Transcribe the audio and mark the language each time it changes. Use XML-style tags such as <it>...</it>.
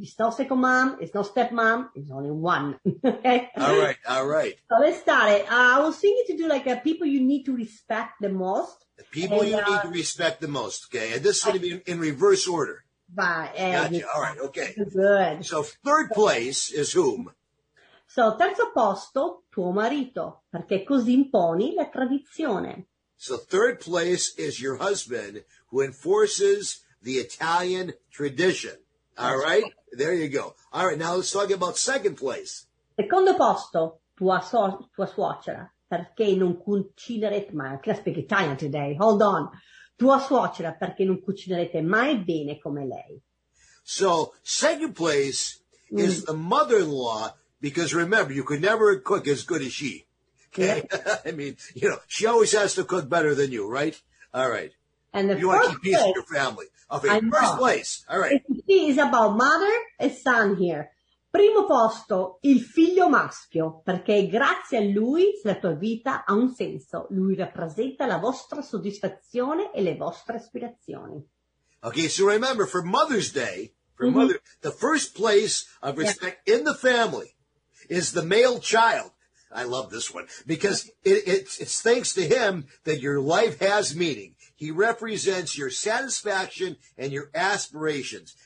<en>It's no second mom, it's no stepmom, it's only one. All right. So let's start it. I was thinking to do like a people you need to respect the most. The people and, you need to respect the most, okay? And this is going to be in reverse order. Bye. Gotcha. All right, okay. Good. So third place is whom?</en> <it>So, terzo posto, tuo marito, perché così imponi la tradizione.</it> <en>So, third place is your husband who enforces the Italian tradition. All right? There you go. All right, now let's talk about second place.</en> <it>Secondo posto, tua suocera, perché non cucinerete mai.</it> <en>I can't speak Italian today. Hold on.</en> <it>Tua suocera, perché non cucinerete mai bene come lei.</it> <en>So, second place is the mother-in-law. Because remember, you could never cook as good as she. Okay, yeah. I mean, you know, she always has to cook better than you, right? All right. And you want to keep peace with your family. Okay, I'm first wrong. Place. All right. It's about mother and son here.</en> <it>Primo posto, il figlio maschio, perché grazie a lui la tua vita ha un senso. Lui rappresenta la vostra soddisfazione e le vostre aspirazioni.</it> <en>Okay, so remember, for Mother's Day, for mm-hmm. Mother, the first place of respect yeah. in the family is the male child. I love this one, because it's thanks to him that your life has meaning. He represents your satisfaction and your aspirations.</en>